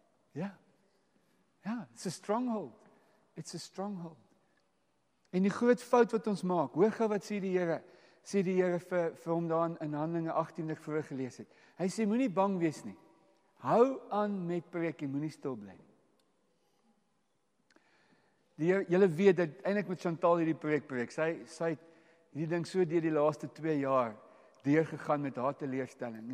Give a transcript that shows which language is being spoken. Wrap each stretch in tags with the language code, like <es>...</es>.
<en>Ja. Ja, it's a stronghold. It's a stronghold.</en> <af>En die groot fout wat ons maak, hoor gou wat sê die Here, sê die Here vir hom daar in Handelinge 18 wat ek vroeër gelees het. Hy sê, moenie bang wees nie. Hou aan met preek en moenie stil bly. Die Here, julle weet dat eintlik met Chantal hierdie preek, sy het hierdie ding so deur die laaste 2 jaar deur gegaan met haar teleurstelling.</af>